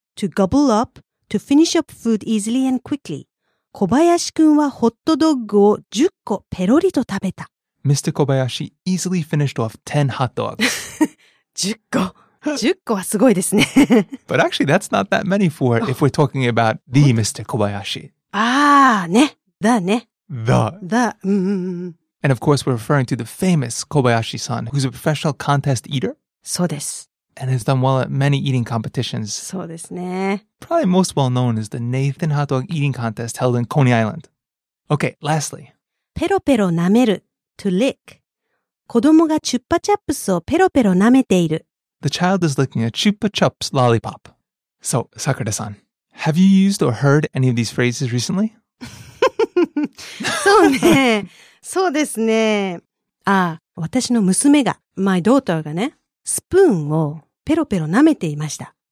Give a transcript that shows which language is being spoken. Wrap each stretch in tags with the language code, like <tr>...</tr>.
<en>To gobble up, to finish up food easily and quickly.</en> <ja>小林くんはホットドッグを10個ペロリと食べた。</ja> <en>Mr. Kobayashi easily finished off 10 hot dogs.</en> <ja>10個。10個はすごいですね。</ja> <en>But actually, that's not that many for if we're talking about the Mr. Kobayashi.</en> <ja>ああ、ね。The ね。</ja> <en>The. The. And of course, we're referring to the famous Kobayashi-san, who's a professional contest eater.</en> <ja>そうです。</ja> <en>And has done well at many eating competitions.</en> <ja>そうですね。</ja> <en>Probably most well-known is the Nathan Hot Dog Eating Contest held in Coney Island. Okay, lastly.</en> <ja>ペロペロ舐める、</ja> <en>to lick.</en> <ja>子供がチュッパチャップスをペロペロ舐めている。</ja> <en>The child is licking a Chupa Chups lollipop. So, Sakurada-san, have you used or heard any of these phrases recently?</en> <ja>そうね。そうですね。ああ、私の娘が、</ja> <en>my daughter</en> <ja>がね、スプーンをペロペロ舐めていました。</ja>